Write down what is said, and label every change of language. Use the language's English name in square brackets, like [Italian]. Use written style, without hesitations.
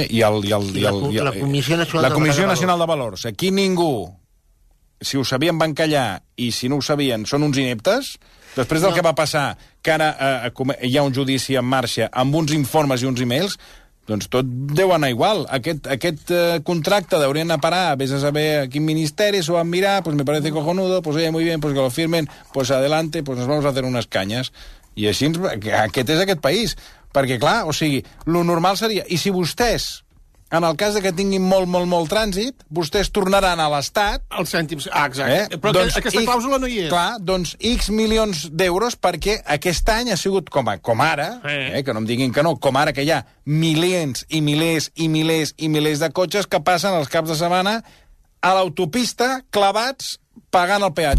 [Catalan] La Comissió Nacional de Valors. Aquí ningú... Si ho sabien, van callar, i si no ho sabien, són uns ineptes. Després del que va passar, que ara hi ha un judici en marxa amb uns informes i uns emails, doncs tot deu anar igual. Aquest contracte deuria anar a parar, vés a saber a quin ministeri s'ho van mirar, [Spanish] pues me parece cojonudo, pues oye, muy bien, pues que lo firmen, pues adelante, pues nos vamos a hacer unas cañas. [Catalan] I així, aquest és aquest país. Perquè, clar, o sigui, lo normal seria... I si vostès... En el cas de que tinguin molt, molt, molt trànsit, vostès tornaran a l'Estat... Els cèntims, exacte. Però doncs, aquesta clàusula no hi és. Clar, doncs X milions d'euros perquè aquest any ha sigut com ara, que no em diguin que no, com ara que hi ha milers i milers i milers i milers de cotxes que passen els caps de setmana a l'autopista clavats pagant el peatge.